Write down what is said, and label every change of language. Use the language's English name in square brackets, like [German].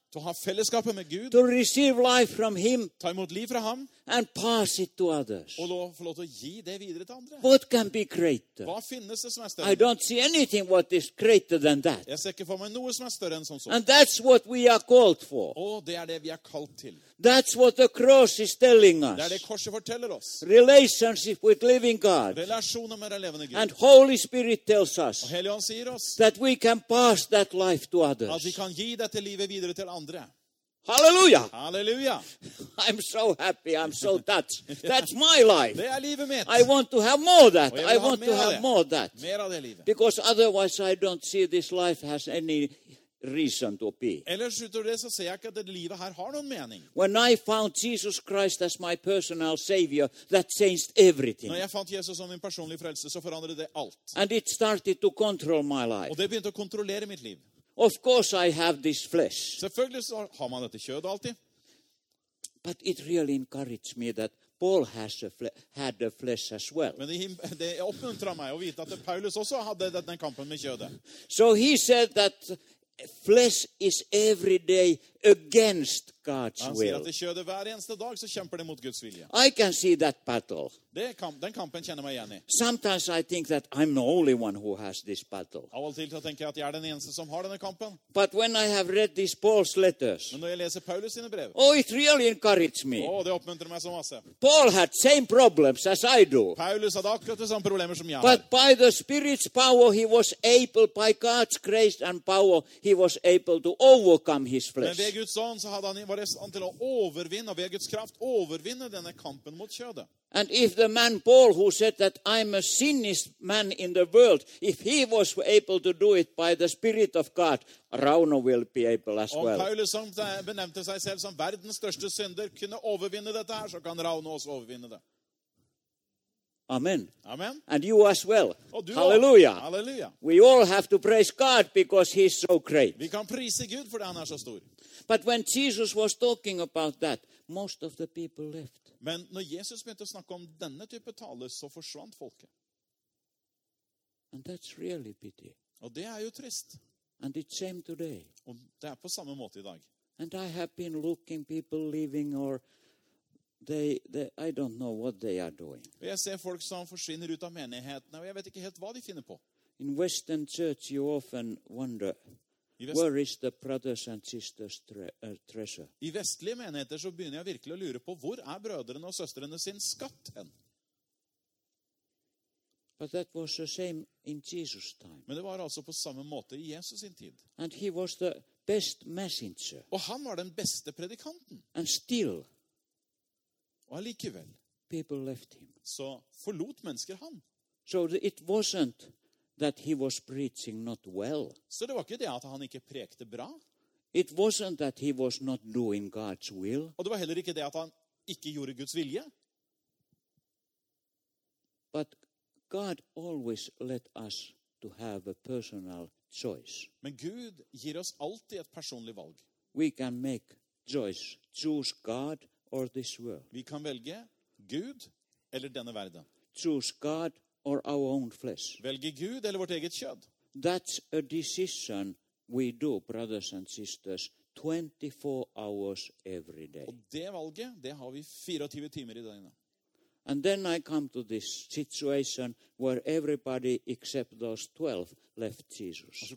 [Norwegian] To ha fellesskapet med Gud. [English] To receive life from him. [Norwegian] Ta imot liv fra ham. [English] And pass it to others. [Norwegian] Og lov, få lov til å gi det videre til andre. [English] What can be greater? [Norwegian] Hva finnes det som større? [English] I don't see anything what is greater than that. [Norwegian] Jeg ser ikke for meg noe som større enn som så. [English] And that's what we are called for. [Norwegian] Og det det vi kalt til. [English] That's what the cross is telling us. [Norwegian] Det det korset forteller oss. [English] Relationship with living God. [Norwegian] Relasjoner med den levende Gud. [English] And Holy Spirit tells us. [Norwegian] Og Helligånd sier oss. [English] That we can pass that life to others. [Norwegian] At vi kan gi dette livet videre til andre. [English] Hallelujah! [Norwegian] Hallelujah! [English] I'm so happy. I'm so touched. That's my life. [Norwegian] Det livet mitt. [English] I want to have more of that. I want to have more of that. [Norwegian] Mer av det livet. [English] Because otherwise, I don't see this life has any reason to be. [Norwegian] Ellers utover det så ser jeg ikke at det livet her har noen mening. [English] When I found Jesus Christ as my personal savior, that changed everything. [Norwegian] Når jeg fant Jesus som min personlige frelse, så forandret det alt. [English] And it started to control my life. [Norwegian] Og det begynte å kontrollere mitt liv. [English] Of course I have this flesh. [Norwegian] Selvfølgelig så har man dette kjødet alltid. [English] But it really encouraged me that Paul has had the flesh as well. [Norwegian] Men det oppmuntrer meg å vite at Paulus også hadde denne kampen med kjødet. [English] So he said that flesh is every day against God's will. [Norwegian] Han sier at kjødet hver eneste dag så kjemper det mot Guds vilje. [English] I can see that battle. [Norwegian] Den kampen kjenner meg igjen I. [English] Sometimes I think that I'm the only one who has this battle. [Norwegian] Av og til tenker jeg at jeg den eneste som har denne kampen. [English] But when I have read these Paul's letters. [Norwegian] Men når jeg leser Paulus sine brev. [English] Oh, it really encouraged me. [Norwegian] Oh, det oppmuntrer meg så masse. [English] Paul had same problems as I do. [Norwegian] Paulus hadde akkurat de samme problemer som jeg. [English] But by the Spirit's power he was able, by God's grace and power, he was able to overcome his flesh. [Norwegian] Men ved Guds ånd så var det han til å overvinne, og ved Guds kraft overvinne denne kampen mot kjødet. [English] And if the man Paul who said that I'm a sinless man in the world, if he was able to do it by the Spirit of God, Rauno will be able as well. [Norwegian] Om Paulus som benemte seg selv som verdens største synder kunne overvinne dette her, så kan Rauno også overvinne det. [English] Amen. [Norwegian] Amen. [English] And you as well. [Norwegian] Du, hallelujah. Hallelujah. [English] We all have to praise God because he's so great. [Norwegian] Vi kan prise Gud for det han så stor. [English] But when Jesus was talking about that, most of the people left. [Norwegian] Men når Jesus begynte å snakke om denne type tale, så forsvant folket. [English] And that's really pity. [Norwegian] Og det jo trist. [English] And it's same today. [Norwegian] Og det på samme måte I dag. [English] And I have been looking people leaving or I don't know what they are doing. [Swedish] Och jag ser folk som försvinner ut av menigheten och jag vet inte helt vad de finner på. [English] In Western church you often wonder where is the brothers and sisters treasure? [Swedish] I västliga menigheter så börjar jag verkligen att lura på var är bröderna och systrarna sin skatt än? [English] But that was the same in Jesus' time. [Swedish] Men det var alltså på samma måte I Jesu sin tid. [English] And he was the best messenger. [Swedish] Och han var den bästa predikanten. [English] And still. [Swedish] Och allikevel. [English] People left him. [Swedish] Så förlot människor han. [English] So it wasn't that he was preaching not well. [Swedish] Så det var inte det att han inte prekte bra. [English] It wasn't that he was not doing God's will. [Swedish] Och det var heller inte det att han inte gjorde Guds vilja. [English] But God always let us to have a personal choice. [Swedish] Men Gud ger oss alltid ett personligt valg. [English] We can make choice, choose God or this world. [Swedish] Vi kan välja Gud eller denna världen. [English] Choose God or our own flesh. [Swedish] Välja Gud eller vårt eget kött. [English] That's a decision we do, brothers and sisters, 24 hours every day. [Swedish] Och det valget, det har vi 24 timmar I dagarna. [English] And then I come to this situation where everybody except those 12 left Jesus.